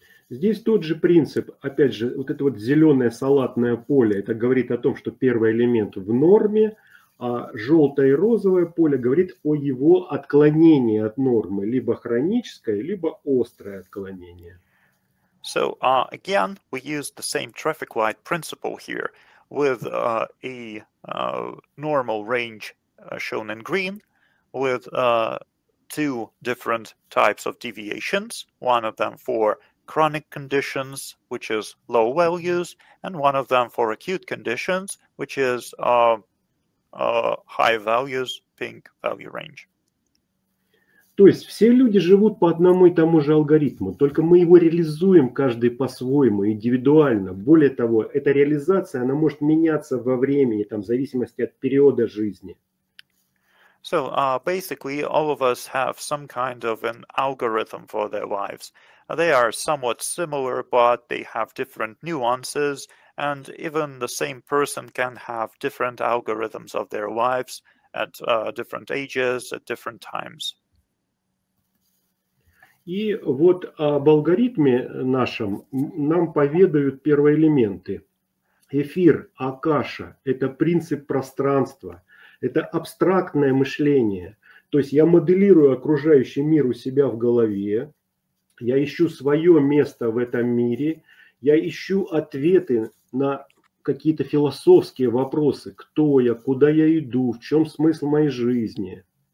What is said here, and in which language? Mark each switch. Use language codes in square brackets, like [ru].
[ru] Здесь тот же принцип, опять же, вот это вот зеленое салатное поле, это говорит о том, что первый элемент в норме, а желтое и розовое поле говорит о его отклонении от нормы, либо хроническое, либо острое отклонение. [en] So, again, we use the same traffic light principle here with a normal range shown in green with two different types of deviations. One of them for chronic conditions, which is low values, and one of them for acute conditions, which is high values, pink value range. [ru] То есть все люди живут по одному и тому же алгоритму, только мы его реализуем каждый по-своему, индивидуально. Более того, эта реализация, она может меняться во времени, там, в зависимости от периода жизни. [en] So, basically, all of us have some kind of an algorithm for their lives. They are somewhat similar, but they have different nuances. And even the same person can have different algorithms of their lives at different ages, at different times. [ru] И вот об алгоритме нашем нам поведают первые элементы. Эфир, акаша – это принцип пространства, это абстрактное мышление. То есть я моделирую окружающий мир у себя в голове, я ищу свое место в этом мире, я ищу ответы на какие-то философские вопросы, кто я, куда я иду, в чем смысл моей жизни.